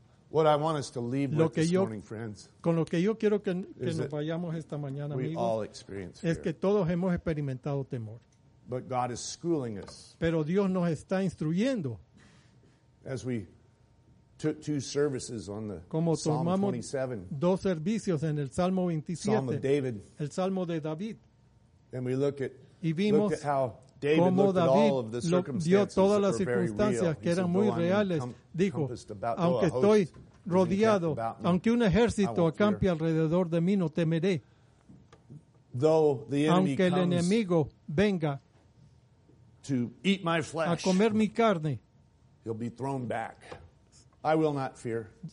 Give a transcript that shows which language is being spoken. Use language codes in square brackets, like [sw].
[en] What I want us to leave with this morning, friends, [es] con lo que yo quiero que nos vayamos esta mañana, amigos, es que todos hemos experimentado temor. [en] But God is schooling us. [es] Pero Dios nos está instruyendo. [en] As we took two services on the Psalm 27. [es] Dos servicios en el Salmo 27. [en] Psalm of David. [es] El Salmo de David. [en] And we looked at how David looked at all of the circumstances [es] todas las circunstancias que eran muy reales. Dijo, aunque estoy rodeado, aunque un ejército acampe alrededor de mí, no temeré. Aunque el enemigo venga [en] to eat my flesh, [es] a comer mi carne, [en] he'll be thrown back. I will not fear.